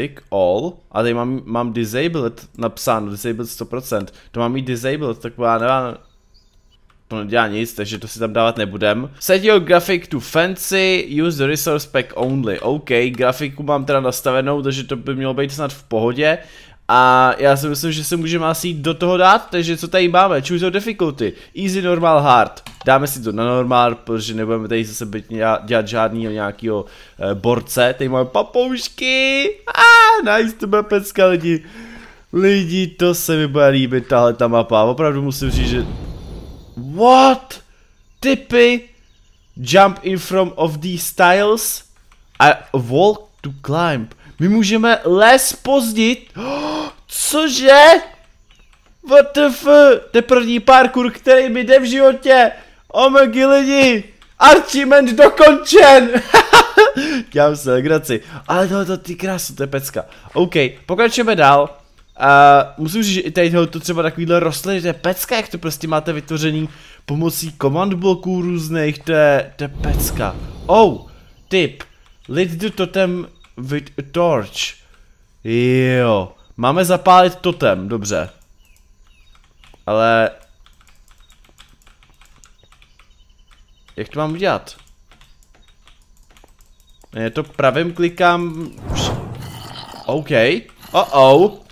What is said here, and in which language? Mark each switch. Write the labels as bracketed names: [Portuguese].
[Czech] all, a tady mám disabled napsáno, disabled 100%, to mám mít disabled, tak já nevám, to nedělá nic, takže to si tam dávat nebudem. [English] Set your graphic to fancy, use the resource pack only. [Czech] OK, grafiku mám teda nastavenou, takže to by mělo být snad v pohodě. A já si myslím, že se můžeme asi do toho dát, takže co tady máme? [English] Choose your difficulty. Easy, normal, hard. [Czech] Dáme si to na normál, protože nebudeme tady zase být dělat žádnýho nějakýho borce. Tady máme papoušky. Nice, to bude pecka, lidi. Lidi, to se mi bude líbit, tahle ta mapa. Opravdu musím říct, že... [English] What? [Czech] Tipy? [English] Jump in from of these tiles? A wall to climb. [Czech] My můžeme les pozdit. Cože? [English] What the f? [Czech] To je první parkour, který mi jde v životě. Omegy lidi. Archiment dokončen. Dělám se legraci. Ale tohle to ty krásu, to je pecka. OK, pokračujeme dál. Musím říct, že i tady tohle to třeba takovýhle rostliny, to je pecka, jak to prostě máte vytvořený pomocí command bloků různých, to je pecka. [English] Oh, tip. Lit the totem with a torch. [Czech] Jo. Máme zapálit totem, dobře. Ale... jak to mám udělat? Je to pravým klikám... OK. Oh.